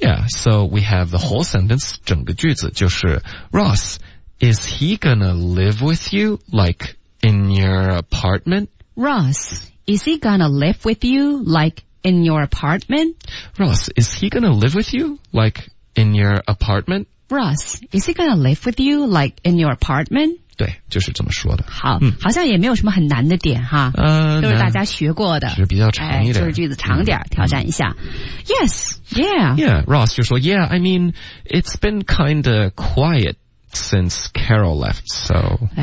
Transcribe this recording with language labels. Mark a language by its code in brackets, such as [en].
[en] Yeah, so we have the whole sentence, [zh] 整个句子就是 [en] Ross, is he gonna live with you, like in your apartment? Ross, is he gonna live with you, like in your apartment? Ross, is he gonna live with you, like in your apartment? Ross, is he gonna live with you, like in your apartment? [zh] 对，就是这么说的。好，嗯，好像也没有什么很难的点哈，都是大家学过的，是比较长一点，就是句子长点，挑战一下。 [en] Yes, yeah. Yeah, Ross 就说 Yeah, I mean, it's been kind of quiet since Carol left, so.